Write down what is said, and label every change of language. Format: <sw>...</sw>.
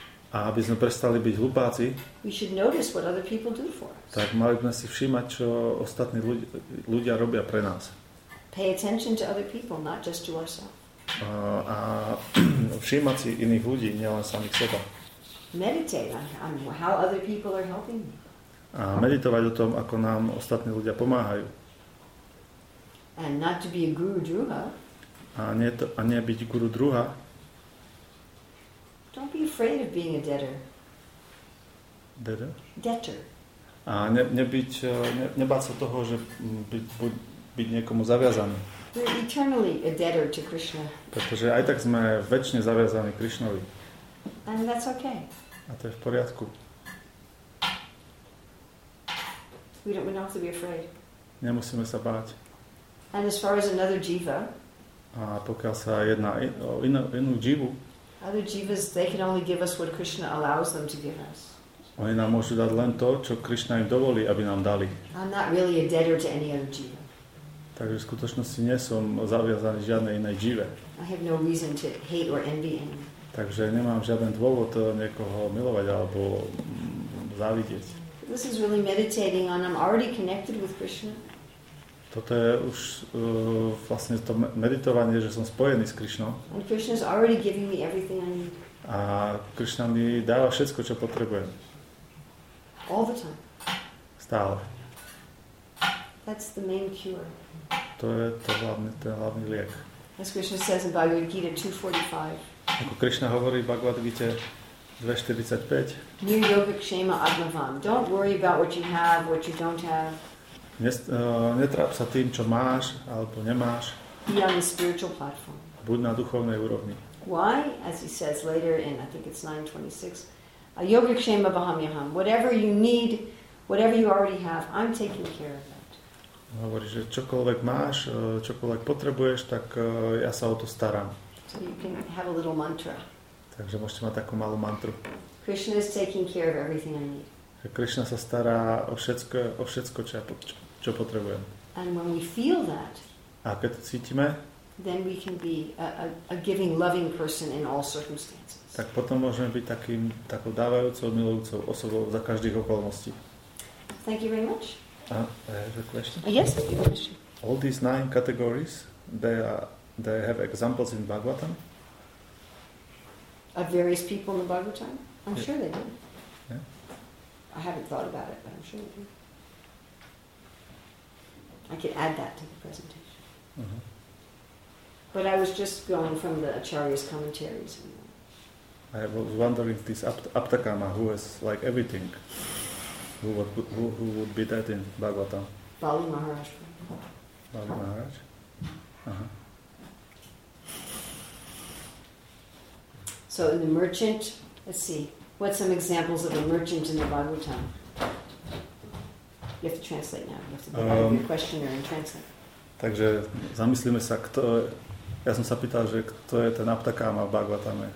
<sk>A aby sme prestali byť hlupáci,</sk> <en>we should notice what other people do for us.</en> <sk>Tak mali by sme si všímať, čo ostatní ľudia robia pre nás.</sk> <en>Pay attention to other people, not just to ourselves.</en> <sk>A všímať si iných ľudí, nielen samých seba.</sk> <en>meditate on how other people are helping me.</en> <sk>A meditovať o tom, ako nám ostatní ľudia pomáhajú.</sk> <en>And not to be a guru druha.</en> <sk>A nie byť guru druha.</sk> <en>Don't be afraid of being a debtor. Debtor.</en> <sk>A nebáť sa toho, že byť niekomu zaviazaný.</sk> <en>We're eternally a debtor to Krishna.</en> <sk>Pretože aj tak sme večne zaviazaní Krishnovi.</sk> <en>And that's okay.</en> <sk>A to je v poriadku.</sk> <en>We don't have to be afraid.</en> <sk>Nemusíme sa báť.</sk> <en>And as far as another jiva.</en> <sk>A pokiaľ sa jedná o inú jivu.</sk> <en>Other jivas, they can only give us what Krishna allows them to give us.</en> <sk>Oni nám môžu dať len to, čo Krishna im dovolí, aby nám dali.</sk> <en>I'm not really a debtor to any other jiva.</en> <sk>Takže v skutočnosti nie som zaviazaný žiadnej inej jive.</sk> <en>I have no reason to hate or envy anyone.</en> <sk>Takže nemám žiaden dôvod niekoho milovať alebo závidieť.</sk> <en>This is really meditating on I'm already connected with Krishna.</en> <sk>Toto je už vlastne to meditovanie, že som spojený s Krishnou.</sk> <en>And Krishna is already giving me everything I need.</en> <sk>A Krishna mi dáva všetko, čo potrebujem.</sk> <en>All the time.</en> <sk>Stále.</sk> <en>That's the main cure.</en> <sk>To je ten hlavný liek.</sk> <en>As Krishna says in Bhagavad Gita 2:45.</en> <sk>Ako Krishna hovorí v Bhagavad Gita 2:45. Yogik shema agnavam.</sk> <en>Don't worry about what you have, what you don't have.</en> <sk>Netráp sa tým, čo máš alebo nemáš.</sk> <en>Be on the spiritual platform.</en> <sk>Buď na duchovnej úrovni.</sk> <en>Why? As he says later in, I think it's 9:26. Yogik shema bahamyaham. Whatever you need, whatever you already have, I'm taking care of it.</en> <sk>Hovorí, že čokoľvek máš, čokoľvek potrebuješ, tak ja sa o to starám.</sk> <en>So you can have a little mantra.</en> <sk>Takže môžete mať takú malú mantru.</sk> <en>Krishna is taking care of everything I need.</en> <sk>Že Krishna sa stará o všetko, čo potrebujem.</sk> <en>And when we feel that,</en> <sk>a keď to cítime,</sk> <en>then we can be a giving, loving person in all circumstances.</en> <sk>Tak potom môžeme byť takou dávajúcou, milujúcou osobou za každých okolností.</sk> <en>Thank you very much. Yes, thank you very much. All these 9 categories, they have examples in Bhagavatam? Of various people in the Bhagavatam? I'm yeah. Sure they do. Yeah. I haven't thought about it, but I'm sure they do. I could add that to the presentation. Mm-hmm. But I was just going from the Acharya's commentaries. I was wondering if this Aptakama, who has like everything, who would be that in Bhagavatam? Bali Maharaj. Bali Maharaj? Uh-huh. So in the merchant, let's see, what's some examples of a merchant in the Bhagavatam? You have to translate now. You have to give your questionnaire and translate.</en> <sk>Takže zamyslíme sa, kto... Ja som sa pýtal, že kto je ten Aptakáma v Bhagavatame.</sk>